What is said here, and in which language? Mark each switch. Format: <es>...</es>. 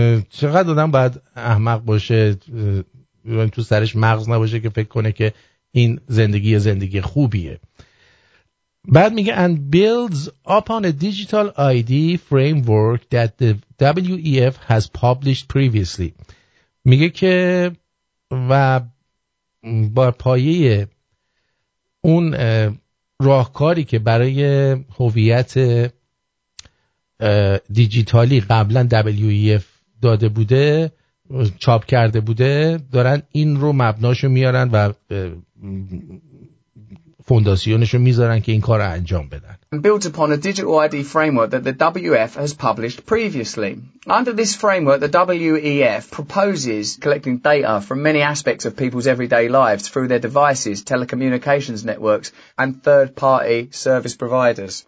<fa>چقدر آدم باید احمق باشه تو سرش مغز نباشه که فکر کنه که این زندگی زندگی خوبیه. بعد میگه</fa> <en>and builds upon a digital ID framework that the WEF has published previously.</en> <fa>میگه که و با پایه اون راهکاری که برای هویت دیجیتالی قبلا WEF داده بوده چاپ کرده بوده دارن این رو مبناشو میارن و فونداسیونشو میذارن که این کار رو انجام بدن.</fa> <en>Built upon a digital ID framework that the WEF has published previously. Under this framework, the WEF proposes collecting data from many aspects of people's everyday lives through their devices, telecommunications networks, and third-party service providers.</en>